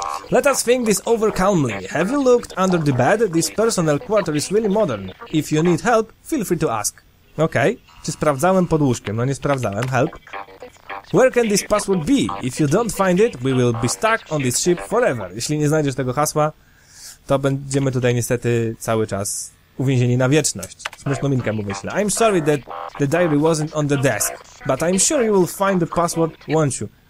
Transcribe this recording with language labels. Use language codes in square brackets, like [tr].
[en] Let us think this over calmly. Have you looked under the bed? This personal quarter is really modern. If you need help, feel free to ask. [pl] Okej. Czy sprawdzałem pod łóżkiem? No nie sprawdzałem. [en] Help. Where can this password be? If you don't find it, we will be stuck on this ship forever. [pl] Jeśli nie znajdziesz tego hasła, to będziemy tutaj niestety cały czas uwięzieni na wieczność. Śmieszną minkę mu myślę. [en] I'm sorry that the diary wasn't on the desk, but I'm sure you will find the password, won't you?